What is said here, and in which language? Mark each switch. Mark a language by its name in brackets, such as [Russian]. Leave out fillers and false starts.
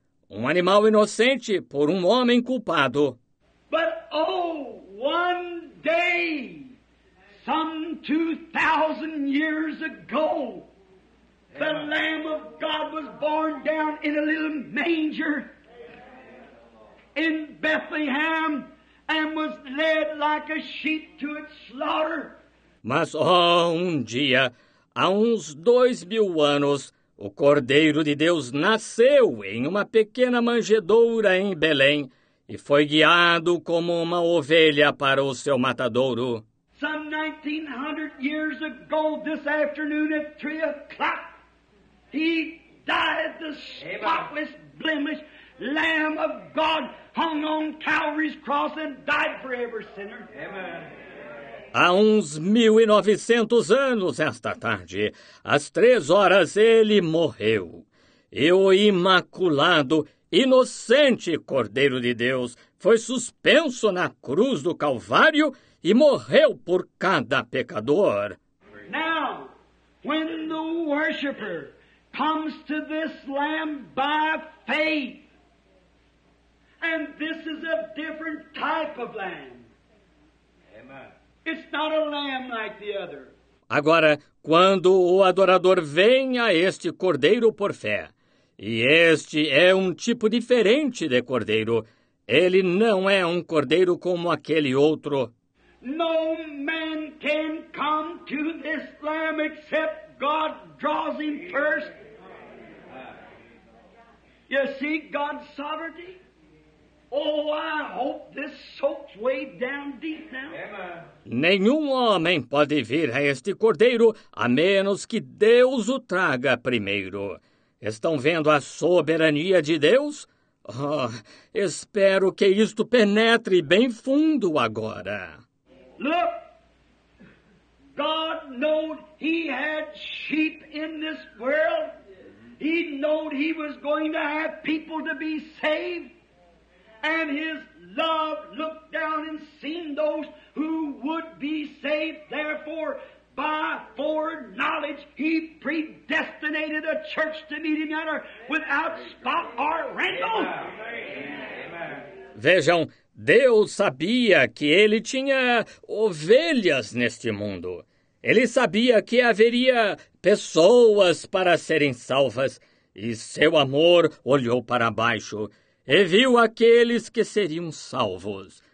[Portuguese] Um animal inocente por um homem culpado. [English] But oh, one day, some 2,000 years ago, the Lamb of God was born down in a little manger in Bethlehem and was led like a sheep to its slaughter. [Portuguese] Mas, um dia, há uns 2,000 anos, o Cordeiro de Deus nasceu em uma pequena manjedoura em Belém e foi guiado como uma ovelha para o seu matadouro. [English] Some 1,900 years ago, this afternoon at 3 o'clock, he died the spotless, blemished Lamb of God hung on Calvary's cross and died for every sinner. Amen. [Portuguese] Há uns 1,900 anos, esta tarde, às 3 horas, ele morreu. E o imaculado, inocente Cordeiro de Deus foi suspenso na cruz do Calvário e morreu por cada pecador. [English] Now, when the worshiper comes to this Lamb by faith, and this is a different type of Lamb. It's not a lamb like the other. [Portuguese] Agora, quando o adorador vem a este cordeiro por fé, e este é um tipo diferente de cordeiro, ele não é um cordeiro como aquele outro. [English] No man can come to this lamb except God draws him first. You see God's sovereignty? Oh, I hope this soaks way down deep now. Amen. [Portuguese] Nenhum homem pode vir a este cordeiro a menos que Deus o traga primeiro. Estão vendo a soberania de Deus? Oh, espero que isto penetre bem fundo agora. [English] Look, God knew he had sheep in this world. He knew he was going to have people to be saved. And his love looked down and seen those who would be saved. Therefore, by foreknowledge, he predestinated a church to meet him at her without spot or wrinkle. Amen. [Portuguese] Vejam, Deus sabia que ele tinha ovelhas neste mundo. Ele sabia que haveria pessoas para serem salvas. E seu amor olhou para baixo e viu aqueles que seriam salvos.